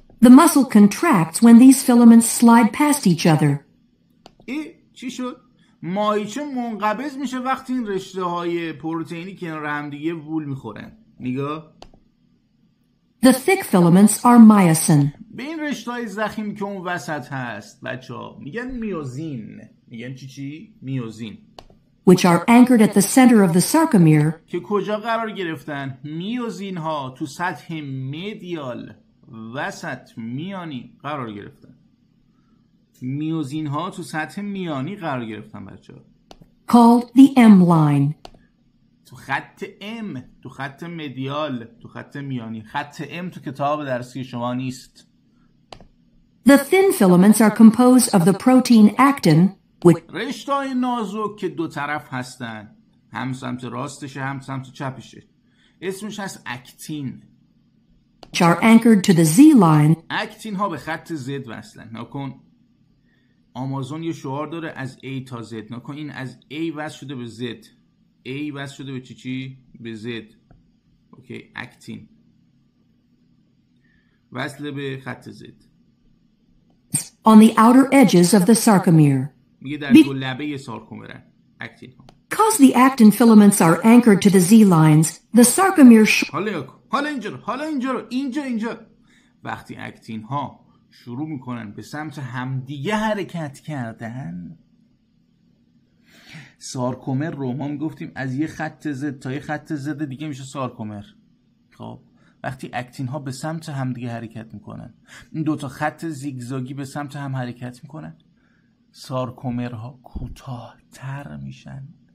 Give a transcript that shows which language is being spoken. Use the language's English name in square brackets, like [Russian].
[English] The muscle contracts when these filaments slide past each other. [Persian] ای چی شد؟ ماهیچه منقبض میشه وقتی این رشته های پروتئینی کنار هم دیگه وول میخورن. نگاه. [English] The thick filaments are myosin. [Persian] به این رشته های ضخیم که اون وسط هست بچه ها میگن میوزین. میگن چی؟ میوزین. [English] Which are anchored at the center of the sarcomere. [Persian] که کجا قرار گرفتن؟ میوزین ها تو سطح میدیال وسط میانی قرار گرفتن. میوزین ها تو سطح میانی قرار گرفتن بچه ها. [English] Called the M line. [Persian] تو خط M، تو خط مدیال، تو خط میانی. خط M تو کتاب درسی شما نیست. [English] The thin filaments are composed of the protein actin. [Persian] رشته های نازک که دو طرف هستن، هم سمت راستشه هم سمت چپشه، اسمش هست اکتین. [English] Which are anchored to the Z line. [Persian] اکتین ها به خط زد وصلن. نکن آمازون یه شعار داره از A تا Z. نکن این از A وصل شده به Z. A وصل شده به چی؟ به Z. اوکی اکتین وصل به خط Z. [English] On the outer edges of the sarcomere. [Persian] میگه در لبه یه سارکومره اکتین ها. [English] Cause the actin filaments are anchored to the Z lines. The sarcomere [Persian] حالا یک حالا اینجا رو، حالا اینجا رو، اینجا اینجا. وقتی اکتین ها شروع میکنن به سمت همدیگه حرکت کردن، سارکومر رو ما میگفتیم از یه خط زد تا یه خط زد دیگه میشه سارکومر. خب وقتی اکتین ها به سمت همدیگه حرکت میکنن، این دوتا خط زیگزاگی به سمت هم حرکت میکنن، سارکومر ها کوتاه تر میشن.